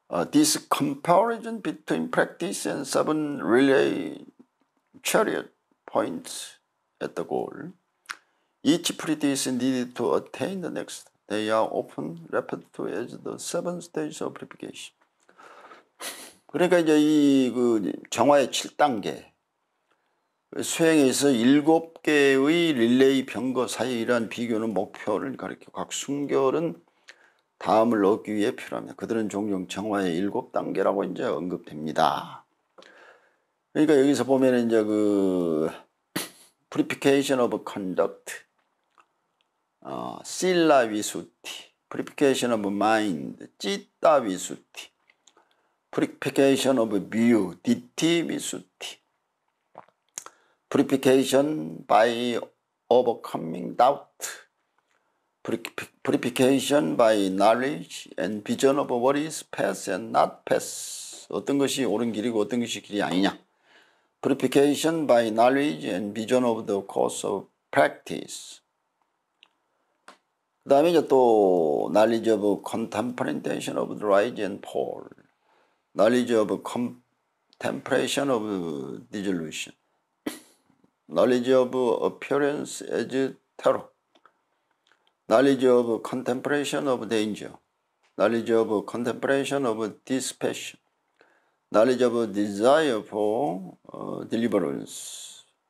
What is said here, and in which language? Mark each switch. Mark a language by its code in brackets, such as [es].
[en] This comparison between practice and seven relay chariot points at the goal. Each pretty is needed to attain the next. They are often referred to as the seven stages of purification. [ko] 그러니까 이제 이 그 정화의 7단계. 수행에서 7개의 릴레이 병거 사이에 이러한 비교는 목표를 가리켜. 각 순결은 다음을 얻기 위해 필요합니다. 그들은 종종 정화의 7단계라고 이제 언급됩니다. 그러니까 여기서 보면 이제 그 [en] purification of conduct. Sila Visuti, Purification of Mind, Citta Visuti, Purification of View, Ditti Visuti, Purification by Overcoming Doubt, Purification by Knowledge and Vision of What is Past and Not Past. [ko] 어떤 것이 옳은 길이고 어떤 것이 길이 아니냐. [en] Purification by Knowledge and Vision of the Course of Practice. [ko] 그 다음에 이제 또 [en] knowledge of contemplation of the rise and fall, knowledge of contemplation of dissolution, knowledge of appearance as terror, knowledge of contemplation of danger, knowledge of contemplation of dispassion, knowledge of desire for deliverance,